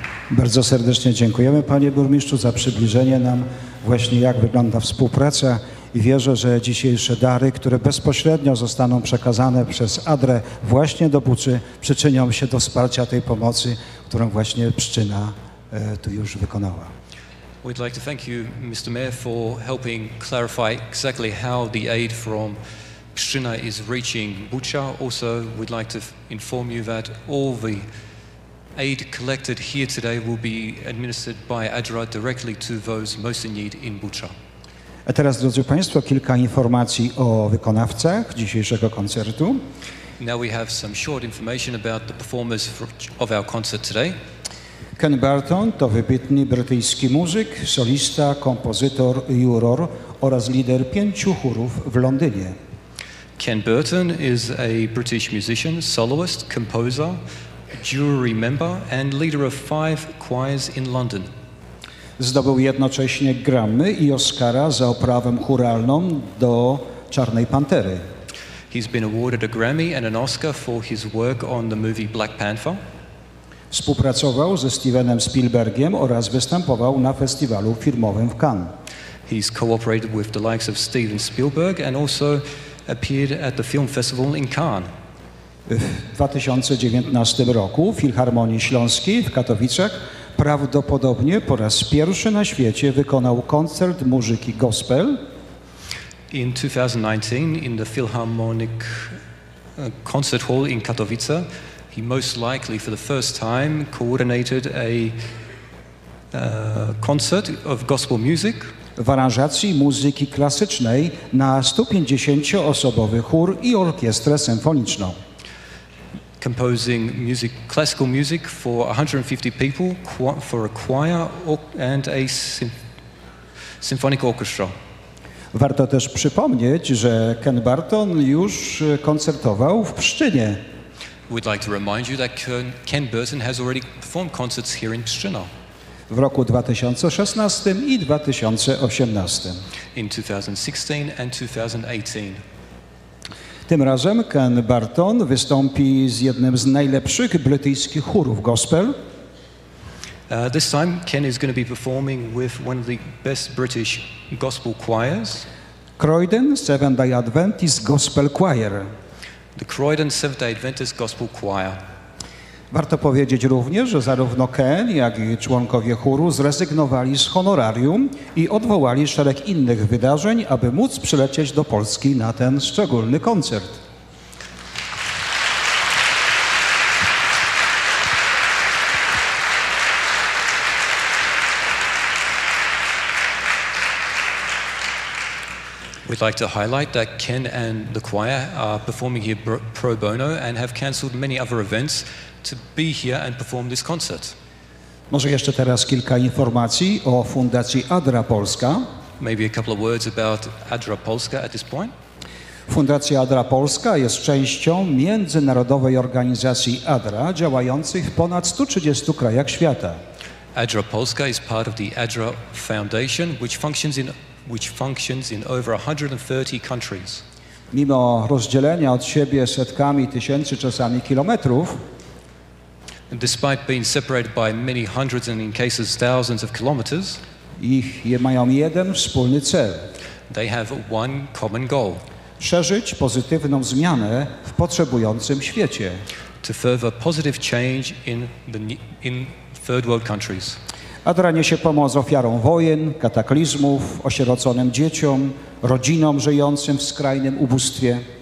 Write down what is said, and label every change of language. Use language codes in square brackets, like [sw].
[pl] Bardzo serdecznie dziękujemy panie burmistrzu za przybliżenie nam właśnie jak wygląda współpraca i wierzę, że dzisiejsze dary, które bezpośrednio zostaną przekazane przez ADRE właśnie do Buczy, przyczynią się do wsparcia tej pomocy, którą właśnie Pszczyna tu już wykonała. [en] We'd like to thank you, Mr. Mayor, for helping clarify exactly how the aid from Pszczyna is reaching Bucha. Also, we'd like to inform you that all the aid collected here today will be administered by ADRA directly to those most in need in Bucha. [pl] A teraz, drodzy Państwo, kilka informacji o wykonawcach dzisiejszego koncertu. [en] Now we have some short information about the performers of our concert today. [pl] Ken Burton to wybitny brytyjski muzyk, solista, kompozytor, juror oraz lider pięciu chórów w Londynie. [en] Ken Burton is a British musician, soloist, composer, jury member and leader of five choirs in London. [pl] Zdobył jednocześnie Grammy i Oscara za oprawę chóralną do Czarnej Pantery. [en] He's been awarded a Grammy and an Oscar for his work on the movie Black Panther. [pl] Współpracował ze Stevenem Spielbergiem oraz występował na festiwalu filmowym w Cannes. [en] He's cooperated with the likes of Steven Spielberg and also appeared at the film festival in Cannes. [pl] W 2019 roku w Filharmonii Śląskiej w Katowicach prawdopodobnie po raz pierwszy na świecie wykonał koncert muzyki gospel. [en] In 2019, in the Philharmonic Concert Hall in Katowice, he most likely for the first time coordinated a concert of gospel music. [pl] W aranżacji muzyki klasycznej na 150-osobowy chór i orkiestrę symfoniczną. [en] Composing music, classical music for 150 people, for a choir and a symphonic orchestra. [pl] Warto też przypomnieć, że Ken Burton już koncertował w Pszczynie. [en] We'd like to remind you that Ken Burton has already performed concerts here in Pszczyna. [pl] W roku 2016 i 2018. [en] In 2016 and 2018. [pl] Tym razem Ken Burton wystąpi z jednym z najlepszych brytyjskich chórów gospel. [en] This time Ken is going to be performing with one of the best British gospel choirs. [pl] Croydon Seventh-day Adventist Gospel Choir. [en] The Croydon Seventh-day Adventist Gospel Choir. [pl] Warto powiedzieć również, że zarówno Ken, jak i członkowie chóru zrezygnowali z honorarium i odwołali szereg innych wydarzeń, aby móc przylecieć do Polski na ten szczególny koncert. [en] We'd like to highlight that Ken and the choir are performing here pro bono and have cancelled many other events to be here and perform this concert. [pl] Może jeszcze teraz kilka informacji o Fundacji ADRA Polska. [en] Maybe a couple of words about ADRA Polska at this point. [pl] Fundacja ADRA Polska jest częścią międzynarodowej organizacji ADRA działającej w ponad 130 krajach świata. [en] ADRA Polska is part of the ADRA Foundation, which functions in over 130 countries. [pl] Mimo rozdzielenia od siebie setkami tysięcy, czasami kilometrów, [en] and despite being separated by many hundreds and in cases thousands of kilometers, [pl] ich je mają jeden wspólny cel. [en] They have one common goal. [pl] Szerzyć pozytywną zmianę w potrzebującym świecie. [en] To further positive change in third world countries. [pl] ADRA niesie pomoc ofiarom wojen, kataklizmów, osieroconym dzieciom, rodzinom żyjącym w skrajnym ubóstwie.